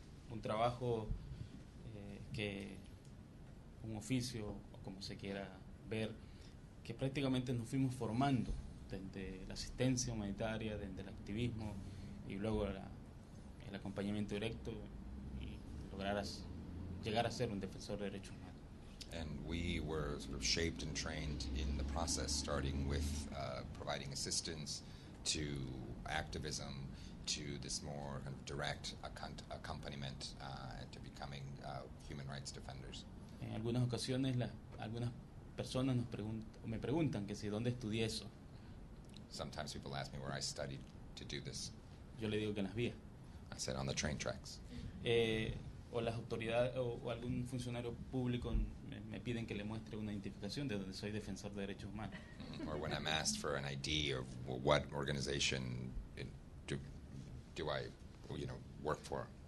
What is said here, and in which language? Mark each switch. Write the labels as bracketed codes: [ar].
[es] Un trabajo que un oficio o como se quiera ver que prácticamente nos fuimos formando desde la asistencia humanitaria, desde el activismo y luego el acompañamiento directo y lograr llegar a ser un defensor de derechos humanos. [en] And we were sort of shaped and trained in the process, starting with providing assistance to activism, to this more kind of direct accompaniment to becoming human rights defenders. [es] En algunas ocasiones algunas personas me preguntan que si dónde estudié eso. [en] Sometimes people ask me where I studied to do this. [es] Yo le digo que en las vías. [en] I said on the train tracks. [es] O las autoridades o algún funcionario público me piden que le muestre una identificación de donde soy defensor de derechos humanos. [en] Or when I'm asked for an ID of what organization do I, you know, work for.